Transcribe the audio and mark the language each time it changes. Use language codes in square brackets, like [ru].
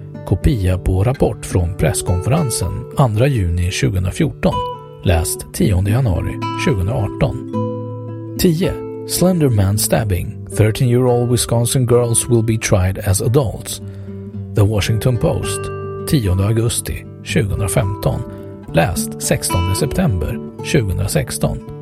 [sv] Kopia på rapport från presskonferensen 2 juni 2014, läst 10 januari 2018. 10. [en] Slender Man Stabbing, 13-year-old Wisconsin girls will be tried as adults. [sv] The Washington Post, 10 augusti 2015, läst 16 september 2016.